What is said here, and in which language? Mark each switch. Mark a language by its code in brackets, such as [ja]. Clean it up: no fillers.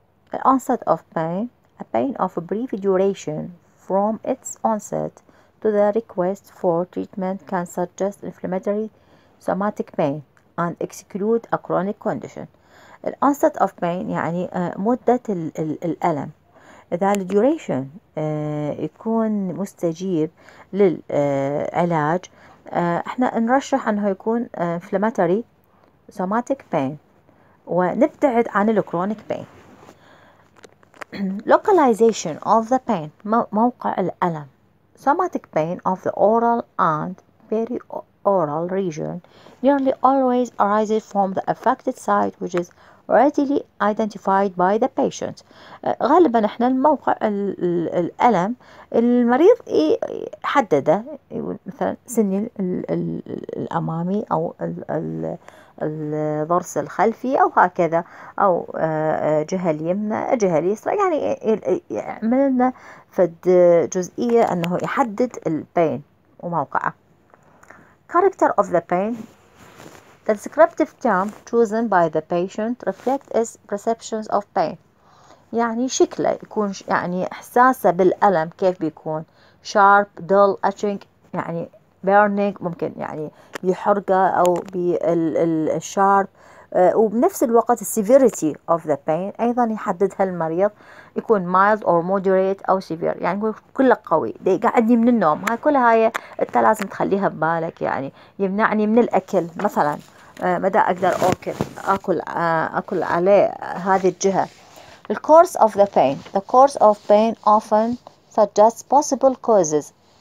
[en] The onset of pain, a pain of a brief duration from its onset to the request for treatment, can suggest inflammatory somatic pain and exclude a chronic condition. The onset of pain [ar] يعني مدة الألم. إذا الـ duration يكون مستجيب للعلاج، إحنا نرشح أنه يكون [en] inflammatory somatic pain [ar] ونبتعد عن الـ [en] chronic pain. Localization of the pain، [ar] موقع الألم. [en] Somatic pain of the oral and perioral oral region nearly always arises from the affected site, which is readily identified by the patient. [ar] غالبا احنا الموقع الالم المريض يحدده، مثلا سني الامامي او الضرس الخلفي او هكذا، او جهه اليمنى جهه اليسرى، يعني يعمل لنا فد جزئيه انه يحدد البين وموقعه. [en] Character of the pain. The descriptive term chosen by the patient reflects his perceptions of pain. [ar] يعني شكله يكون يعني إحساسه بالألم كيف بيكون، [en] sharp, dull, aching، [ar] يعني burning ممكن يعني بيحرقه أو بالsharp. وبنفس الوقت [en] severity of the pain [ar] أيضا يحددها المريض، يكون [en] mild or moderate [ar] أو severe، يعني كله قوي دي قاعدني من النوم. هاي كل هاي أنت لازم تخليها ببالك، يعني يمنعني من الأكل مثلا، مدى أقدر أكل أكل عليه هذه الجهة. [en] The course of the pain. The course of pain often suggests possible causes.